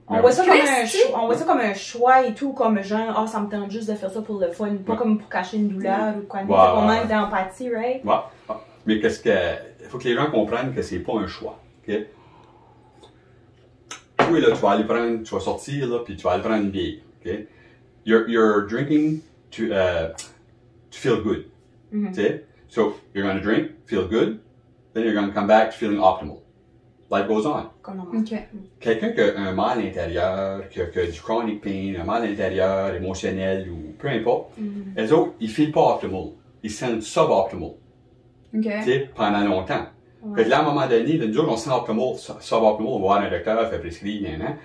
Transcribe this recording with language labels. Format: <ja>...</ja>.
<fr>On voit ça comme un choix et tout, comme genre, oh, ça me tente juste de faire ça pour le fun, pas comme pour cacher une douleur ou quoi. Wow. Fait qu'on manque d'empathie, right? Wow. Mais faut que les gens comprennent que c'est pas un choix. Okay? Oui, là, tu vas sortir, là, puis tu vas aller prendre une bière, OK?</fr> <en>You're drinking to feel good, mm-hmm.</en> <fr>Tu sais?</fr> <en>So, you're going to drink, feel good, then you're going to come back to feeling optimal. Life goes on. OK.</en> <fr>Quelqu'un qui a un mal intérieur, qui a du chronic pain, un mal intérieur, émotionnel, ou peu importe, eux autres, ils ne filent pas optimal. Ils sentent suboptimal, okay. Tu sais, pendant longtemps. Ouais. Fait que là, à un moment donné, le jour où on sent optimal, suboptimal, on va voir un docteur, il fait prescrire, hein?</fr>